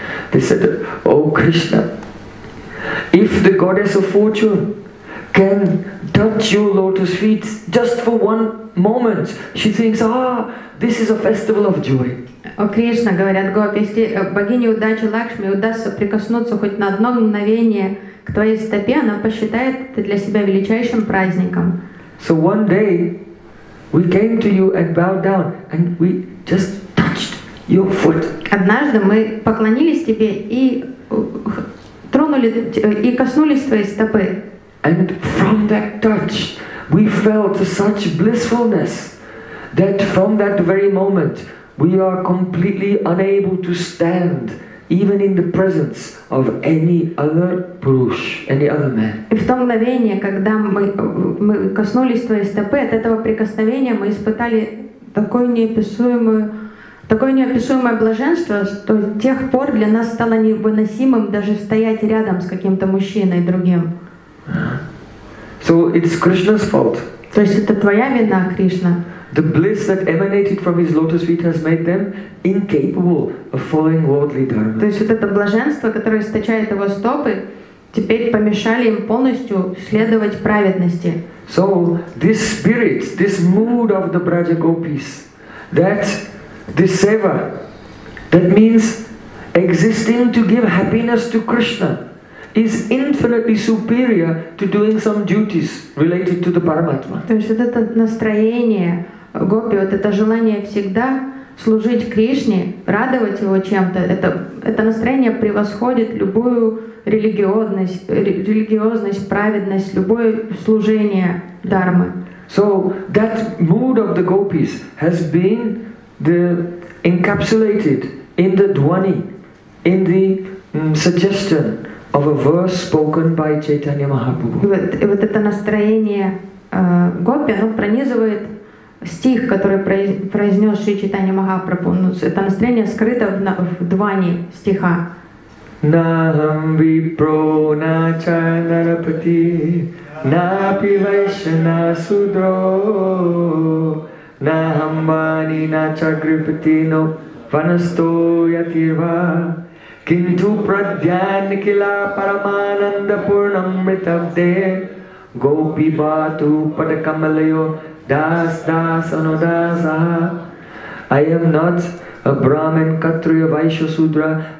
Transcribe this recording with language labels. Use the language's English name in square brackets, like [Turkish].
[English] They said, O Krishna, if the goddess of fortune can touch your lotus feet just for one moment, she thinks, this is a festival of joy. [Russian] О Кришна, говорят гопи, если богине удачи Лакшми удастся прикоснуться хоть на одно мгновение к твоей стопе, она посчитает это для себя величайшим праздником. [English] So one day we came to you and bowed down, and we just touched your foot. [Russian] Однажды мы поклонились тебе и тронули и коснулись твоей стопы. [English] And from that touch we felt such blissfulness that from that very moment we are completely unable to stand even in the presence of any other purush, any other man. [Russian] И в то мгновение, когда мы коснулись твоей стопы, от этого прикосновения мы испытали такое неописуемое блаженство, что с тех пор для нас стало невыносимым даже стоять рядом с каким-то мужчиной другим. [English] So it's Krishna's fault. [Russian] То есть это твоя вина, Кришна. [English] The bliss that emanated from his lotus feet has made them incapable of following worldly dharma. [Russian] То есть вот это блаженство, которое источает его стопы, теперь помешали им полностью следовать праведности. [English] So this spirit, this mood of the Braja Gopis, that this seva, that means existing to give happiness to Krishna, is infinitely superior to doing some duties related to the Paramatma. [Russian] То есть вот это настроение гопи, вот это желание всегда служить Кришне, радовать его чем-то, это настроение превосходит любую религиозность, праведность, любое служение дхармы. [English] So that mood of the gopis has been the encapsulated in the dhwani, in the suggestion of a verse spoken by Chaitanya Mahaprabhu. [Russian] И вот это настроение гопи, оно пронизывает стих, который произнес Шри Чайтанья Махапрабху. Ну, это настроение скрыто в двани стиха. [Sanskrit] Нахам випро нача нарапати напи вайшна судро нахам вани нача грипати но ванасто ятирва кинту прадьян кила парамананда пурнам ритабде гопи бату падакамалайо Das das anudasa. [English] I am not a Brahmin, Kshatriya, Vaishya, Sudra.